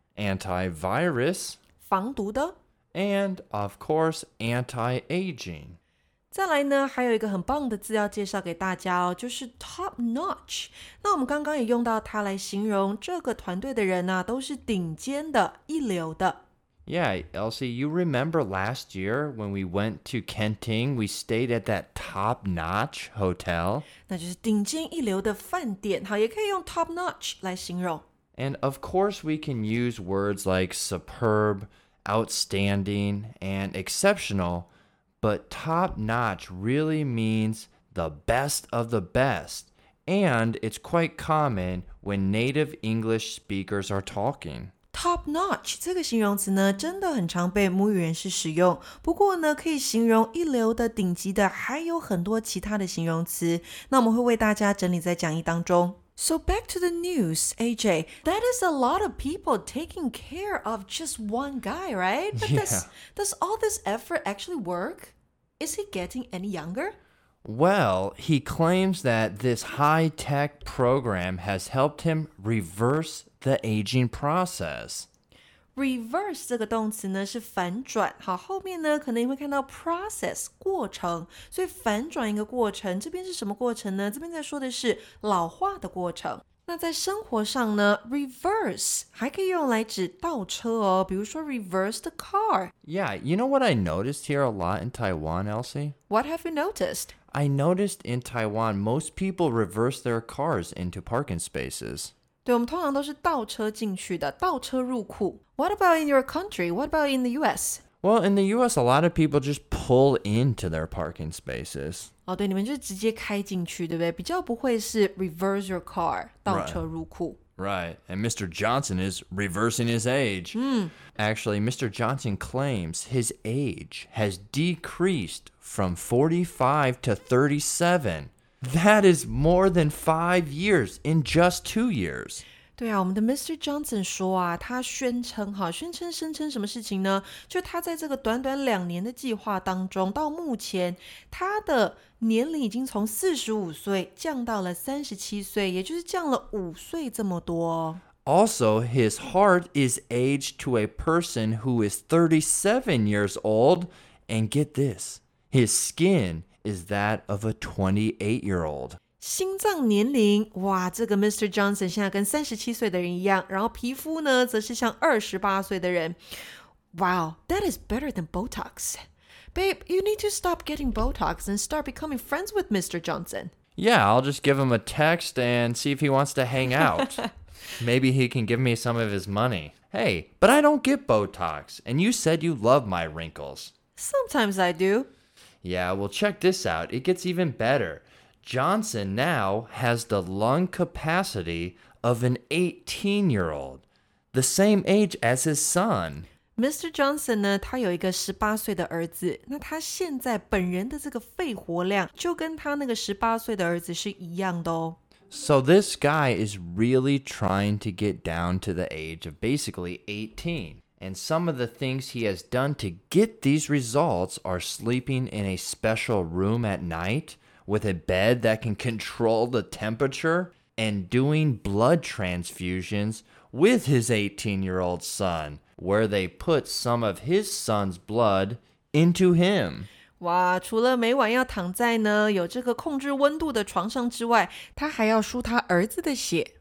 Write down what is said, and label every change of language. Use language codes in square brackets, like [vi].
[en] antivirus, [zh] 防毒的 [en] and of course anti-aging. [zh] 再来呢还有一个很棒的字要介绍给大家哦就是 top notch 那我们刚刚也用到它来形容这个团队的人啊都是顶尖的一流的 [en] Yeah, Elsie, you remember last year when we went to Kenting we stayed at that top notch hotel [zh] 那就是顶尖一流的饭店好也可以用 top notch 来形容 [en] And of course we can use words like superb, outstanding, and exceptionalBut top-notch really means the best of the best, and it's quite common when native English speakers are talking. [zh] Top-notch 这个形容词呢真的很常被母语人士使用不过呢可以形容一流的顶级的还有很多其他的形容词那我们会为大家整理在讲义当中。 [en] So back to the news, AJ, that is a lot of people taking care of just one guy, right? But yeah. Does all this effort actually work? Is he getting any younger? Well, he claims that this high-tech program has helped him reverse the aging process. [zh] Reverse 这个动词呢是反转好后面呢可能你会看到 process 过程所以反转一个过程这边是什么过程呢这边在说的是老化的过程那在生活上呢 reverse 还可以用来指倒车哦比如说 [en] reverse the car Yeah, you know what I noticed here a lot in Taiwan, Elsie? What have you noticed? I noticed in Taiwan, most people reverse their cars into parking spaces. [zh] 对，我们通常都是倒车进去的，倒车入库。 [en] What about in your country? What about in the US? Well, in the US, a lot of people just pull into their parking spaces. [zh] 哦，对，你们就直接开进去，对不对？比较不会是 [en] reverse your car, [zh] 倒车入库。 [en] Right, and Mr. Johnson is reversing his age. Actually, Mr. Johnson claims his age has decreased from 45 to 37. That is more than 5 years in just 2 years. [zh] 对啊，我们的 Mr. Johnson 说啊，他宣称哈，宣称声称什么事情呢？就他在这个短短两年的计划当中，到目前他的年龄已经从45岁降到了37岁，也就是降了5岁这么多。 [en] Also, his heart is aged to a person who is 37 years old, and get this, his skin. Is that of a 28-year-old? [zh] 心脏年龄，哇，这个 Mr. Johnson 现在跟37岁的人一样，然后皮肤呢，则是像28岁的人。 [en] Wow, that is better than Botox. Babe, you need to stop getting Botox and start becoming friends with Mr. Johnson. Yeah, I'll just give him a text and see if he wants to hang out. Maybe he can give me some of his money. Hey, but I don't get Botox, and you said you love my wrinkles. Sometimes I do. Yeah, well, check this out. It gets even better. Johnson now has the lung capacity of an 18-year-old, the same age as his son. [zh] Mr. Johnson 呢，他有一个18岁的儿子。那他现在本人的这个肺活量就跟他那个18岁的儿子是一样的哦。 [en] So this guy is really trying to get down to the age of basically 18. And some of the things he has done to get these results are sleeping in a special room at night with a bed that can control the temperature and doing blood transfusions with his 18-year-old son, where they put some of his son's blood into him. [zh] 哇除了每晚要躺在呢有这个控制温度的床上之外他还要输他儿子的血。